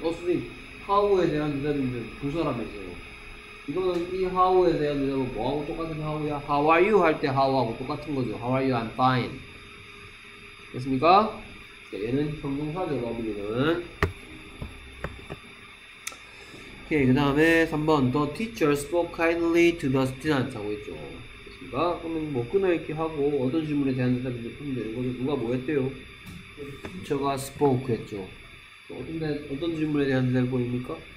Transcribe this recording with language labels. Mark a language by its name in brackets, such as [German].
[Korean] 선생님, how에 대한 대답이면 부사라면서요. 이거는 이 how에 대한 대답은 뭐하고 똑같은 how야? How are you 할 때 how하고 똑같은 거죠. [English] How are you? I'm fine. [Korean] 됐습니까? 얘는 형용사죠, 러블리는. 오케이, 그 다음에 3번. [English] The teacher spoke kindly to the student [Korean] 하고 있죠. 됐습니까? 그러면 뭐 끊어있게 하고 어떤 질문에 대한 대답인지 풀면 되는 거죠. 누가 뭐 했대요? teacher가 spoke 했죠. 어떤 질문에 대한 대답 보입니까?